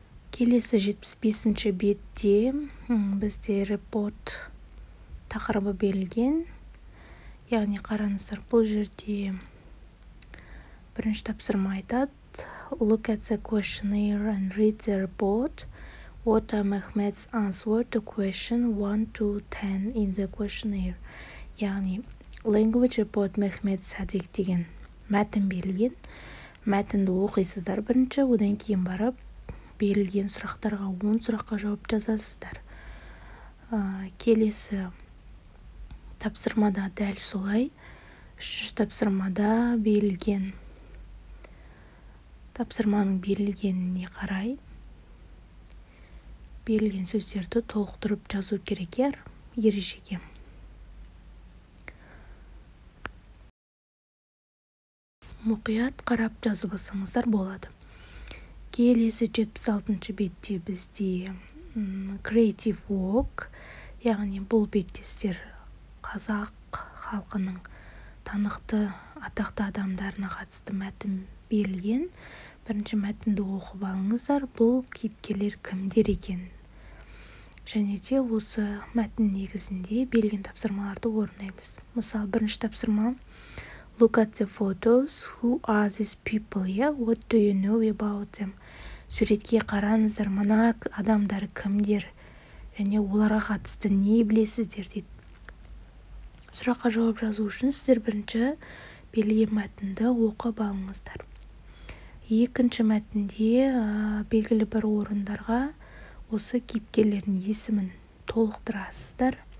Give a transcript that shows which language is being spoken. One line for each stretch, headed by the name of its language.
Kazakh: Келесі 75-ші бетте бізде report тақырыбы берілген. Яғни қараңыздар, бұл жерде бірінші тапсырма айтады.
English: Look at the questionnaire and read the report. What are Mehmet's answer to question 1 to 10 in the questionnaire? Яғни Language about Mehmet Sadik
Kazakh: деген мәтін берілген. Мәтінді оқисыздар бірінші, одан кейін барып, берілген сұрақтарға 10 сұраққа жауап жазасыздар. Келесі тапсырмада дәл солай, үшінші тапсырмада берілген. Тапсырманың берілгеніне қарай, берілген сөздерді толықтырып жазу керек ережеге. Мұқият қарап жазбасаңыздар болады. Келесі 76-шы бетте бізде creative work, яғни бұл беттестер қазақ халқының танықты атақты адамдарына қатысты мәтін берілген. Бірінші мәтінді оқып алыңыздар, бұл кейіпкерлер кімдер екен. Және де осы мәтін негізінде берілген тапсырмаларды орындаймыз.
English: Мысалы, бірінші тапсырма, look at the photos, who are these people, yeah? What do you know about them?
Kazakh: Суретке қараңыздар, мына адамдар кімдер, және оларға қатысты не білесіздер, дейді. Сұраққа жауап жазу үшін сіздер бірінші берілген мәтінді оқып алыңыздар. Екінші мәтінде белгілі бір орындарға осы кейіпкерлердің есімін толықтырасыздар.